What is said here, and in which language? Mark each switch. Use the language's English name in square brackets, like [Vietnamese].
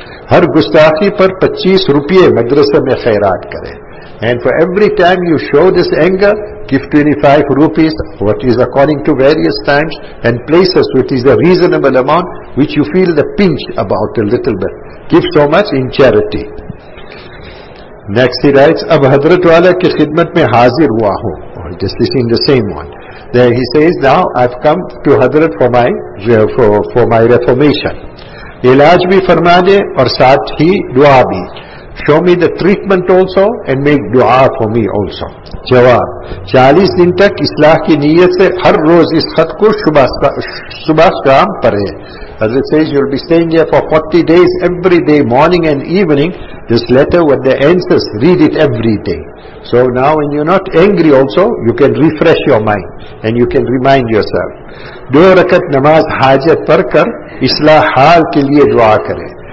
[Urdu] Har gustakhi par 25 rupiye madrasa mein khairat kare. [English] And for every time you show this anger, give 25 rupees, what is according to various times and places, which is a reasonable amount, which you feel the pinch about a little bit. Give so much in charity. Next he writes, [Urdu] اب حضرت والا کی خدمت میں حاضر ہوا ہوں. [English] Just in the same one. There he says, now I've come to Hazrat for my reformation. [Urdu] علاج بھی فرما دے اور ساتھ ہی دعا بھی. [English] Show me the treatment also and make dua for me also. [Urdu] جواب, 40 دن تک اصلاح کی نیت سے ہر روز اس خط کو صبح شام پڑھیں. [English] As it says, you'll be staying here for 40 days, every day, morning and evening. This letter with the answers, read it every day. So now when you're not angry also, you can refresh your mind and you can remind yourself. [Urdu] دو رکعت نماز حاجت پڑھ کر اصلاح حال کے لیے دعا کریں.